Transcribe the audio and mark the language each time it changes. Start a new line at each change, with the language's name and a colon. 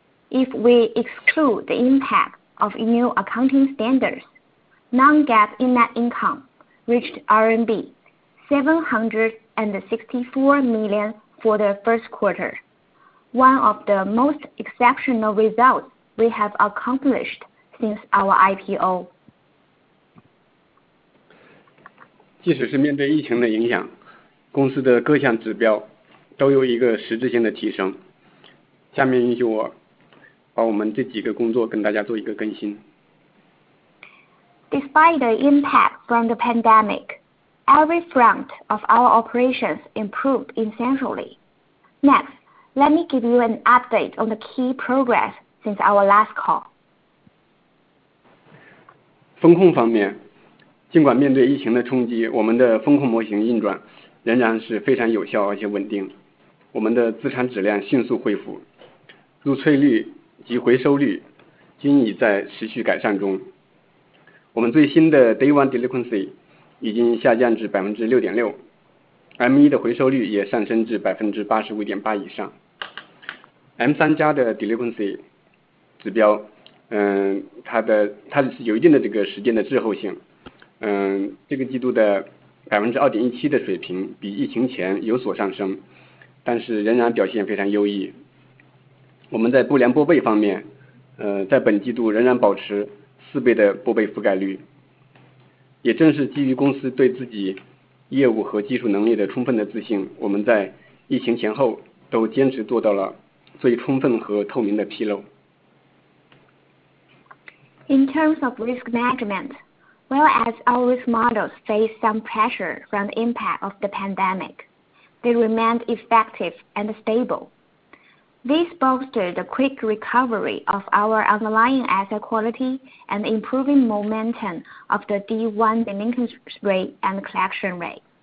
English: If we exclude the impact of new accounting standards, non-GAAP net income reached RMB 764 million for the first quarter, one of the most exceptional results we have accomplished since our IPO.
Chinese: 即使是面对疫情的影响，公司的各项指标都有一个实质性的提升。下面允许我把我们这几个工作跟大家做一个更新。
English: Despite the impact from the pandemic, every front of our operations improved essentially. Next, let me give you an update on the key progress since our last call.
Chinese: 风控方面，尽管面对疫情的冲击，我们的风控模型运转仍然是非常有效而且稳定。我们的资产质量迅速恢复，入萃率及回收率均已在持续改善中。我们最新的 Day One Delinquency 已经下降至 6.6%， M1 的回收率也上升至 85.8% 以上。 M3 加的 Delinquency 指标，它是有一定的这个时间的滞后性，这个季度的 2.17% 的水平比疫情前有所上升，但是仍然表现非常优异。我们在不良拨备方面，在本季度仍然保持四倍的拨备覆盖率，也正是基于公司对自己业务和技术能力的充分的自信，我们在疫情前后都坚持做到了最充分和透明的披露。
English: In terms of risk management, well, as our risk models face some pressure from the impact of the pandemic, they remained effective and stable. This bolstered the quick recovery of our underlying asset quality and improving momentum of the D1 delinquency rate and collection rate.